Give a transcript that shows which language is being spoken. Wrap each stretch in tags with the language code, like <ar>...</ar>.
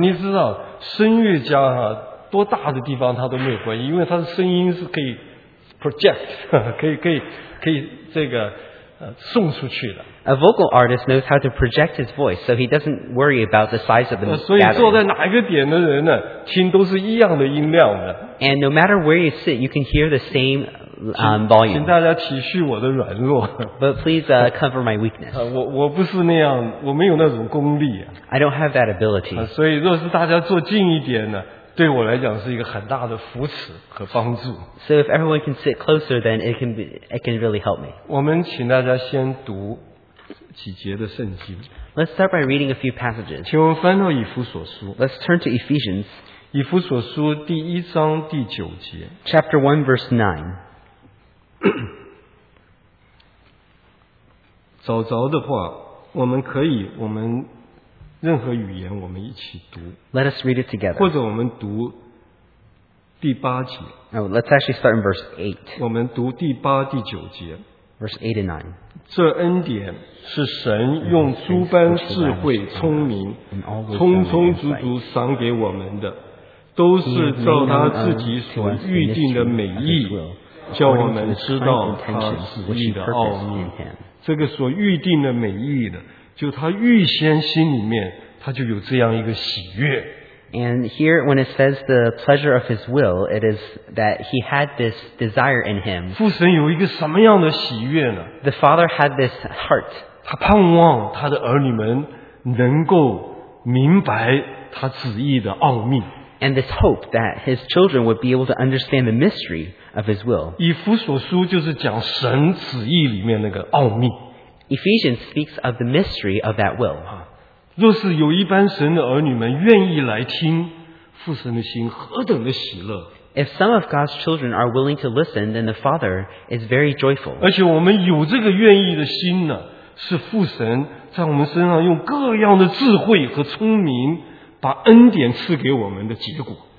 <zh>你知道声乐家啊，多大的地方他都没有关系，因为他的声音是可以 project， 可以这个送出去的。</zh> <en>A vocal artist knows how to project his voice, so he doesn't worry about the size of the gathering.</en> <zh>所以坐在哪一个点的人呢，听都是一样的音量的。</zh> <en>And no matter where you sit, you can hear the same volume.</en> <zh>请大家体恤我的软弱。</zh> <en>But please cover my weakness.</en> <zh>我不是那样，我没有那种功力。</zh> <en>I don't have that ability.</en> <zh>所以若是大家坐近一点呢，对我来讲是一个很大的扶持和帮助。</zh> <en>So if everyone can sit closer, then it can really help me.</en> <zh>我们请大家先读几节的圣经。</zh> <en>Let's start by reading a few passages.</en> <zh>请我们翻到以弗所书。</zh> <en>Let's turn to Ephesians.</en> <zh>以弗所书第一章第九节。</zh> <en>Chapter 1, verse 9.</en> <zh>早早的话，我们可以，我们任何语言我们一起读。</zh> <en>Let us read it together.</en> <zh>或者我们读第八节。</zh> <en>No, let's actually start in verse 8.</en> <zh>我们读第八、第九节。</zh> <en>Verse 8 and 9.</en> <zh>这恩典是神用诸般智慧、聪明、充充足足赏给我们的，都是照他自己所预定的美意，叫我们知道他旨意的奥秘。这个所预定的美意呢，就他预先心里面他就有这样一个喜悦。</zh> <en>And here when it says the pleasure of his will, it is that he had this desire in him.</en> <zh>父神有一个什么样的喜悦呢？</zh> <en>The father had this heart.</en> <zh>他盼望他的儿女们能够明白他旨意的奥秘。</zh> <en>And this hope that his children would be able to understand the mystery of his will.</en> <zh>以弗所书就是讲神旨意里面那个奥秘。</zh> <en>Ephesians speaks of the mystery of that will.</en> <zh>若是有一般神的儿女们愿意来听，父神的心何等的喜乐。</zh> <en>If some of God's children are willing to listen, then the Father is very joyful.</en> <zh>而且我们有这个愿意的心呢，是父神在我们身上用各样的智慧和聪明把恩典赐给我们的结果。</zh>